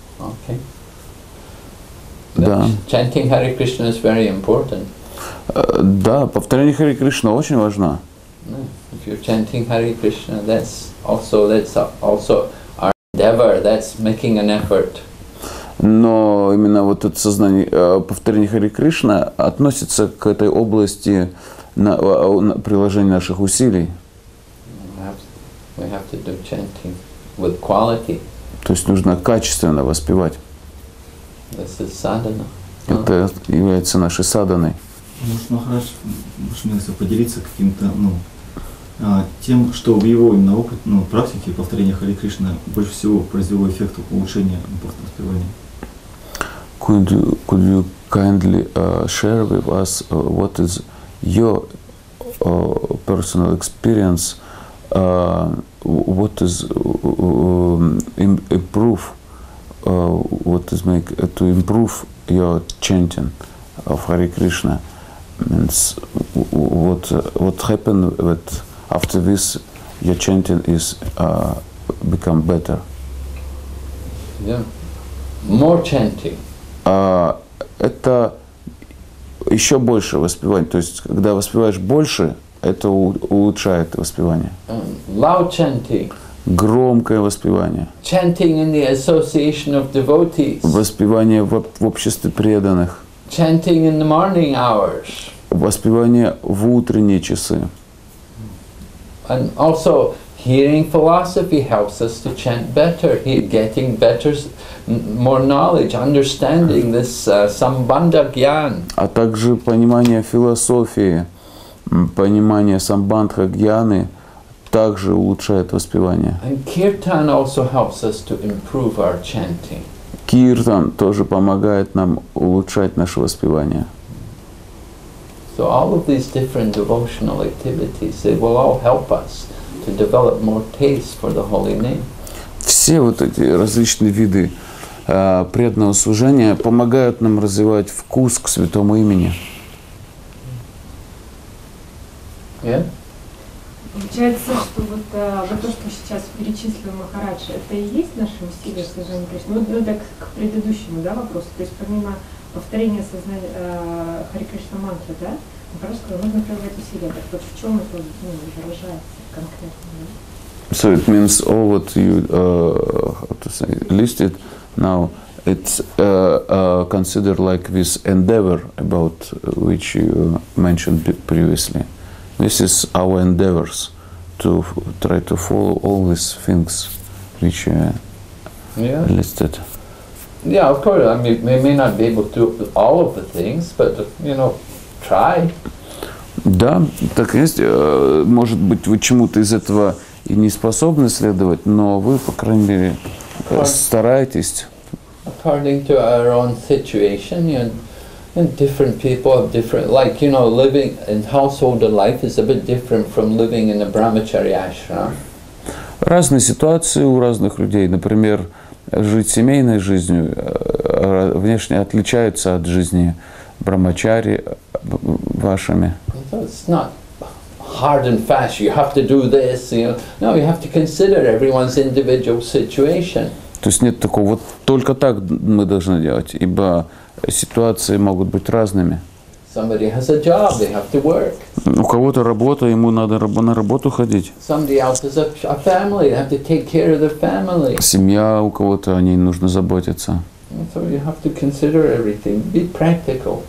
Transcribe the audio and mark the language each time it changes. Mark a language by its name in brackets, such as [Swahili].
[English] Okay. Да. Chanting Hare Krishna is very important. [Russian] Да, повторение Hare Krishna очень важно. [English] If you're chanting Hare Krishna, that's also our endeavor, that's making an effort. [Russian] Но именно вот это сознание, повторение Хари Кришна относится к этой области на приложения наших усилий. [English] We have to do chanting with quality. [Russian] То есть нужно качественно воспевать. [English] This is sadhana. [Russian] Это является нашей садханой. Может, Махарадж, можешь мне поделиться каким-то, тем, что в его именно опыте, практике повторения Хари Кришна больше всего произвело эффект улучшения воспевания? [English] Could you kindly share with us what is your personal experience? What is improve? What is make to improve your chanting of Hare Krishna? Means what happened that after this your chanting is become better? Yeah, more chanting. [Russian] Это еще больше воспевания. То есть, когда воспеваешь больше, это улучшает воспевание. [English] Loud chanting. [Russian] Громкое воспевание. [English] Chanting in the association of devotees. [Russian] Воспевание в обществе преданных. [English] Chanting in the morning hours. [Russian] Воспевание в утренние часы. [English] And also hearing philosophy helps us to chant better, getting better, more knowledge, understanding this Sambandha Gyan. [Russian] А также понимание философии, понимание Самбандха Гьяны также улучшает воспевание. [English] And kirtan also helps us to improve our chanting. [Russian] Киртан тоже помогает нам улучшать наше воспевание. [English] So all of these different devotional activities, they will all help us to develop more taste for the holy name. [Russian] Все вот эти различные виды преданного служения помогают нам развивать вкус к святому имени. [English] Yeah? [Russian] Получается, что вот то, что сейчас перечислил Махарадж, это и есть наше усилие служения Кришне. Ну так к предыдущему, да, вопросу. То есть помимо повторения сознания Хари Кришна мантры, да, просто нужно прилагать усилия. Так вот в чем это выражается конкретно? Да? [English] So it means all what you how to say listed now, it's considered like this endeavor about which you mentioned previously. This is our endeavors to try to follow all these things which you listed. Yeah, of course. I mean, we may not be able to do all of the things, but try. [Russian] Да, так есть. Может быть, вы чему-то из этого и не способны следовать, но вы, по крайней мере, стараетесь. [English] According to our own situation, and different people have different, living in household life is a bit different from living in a brahmachari ashram. [Russian] Разные ситуации у разных людей. Например, жить семейной жизнью внешне отличается от жизни брахмачари вашими. [English] It's not hard and fast, you have to do this, No, you have to consider everyone's individual situation. [Russian] То есть нет такого, вот только так мы должны делать, ибо ситуации могут быть разными. [English] Somebody has a job, they have to work. [Russian] У кого-то работа, ему надо на работу ходить. [English] Somebody else has a family, they have to take care of their family. [Russian] Семья у кого-то, о ней нужно заботиться. [English] So you have to consider everything, be practical.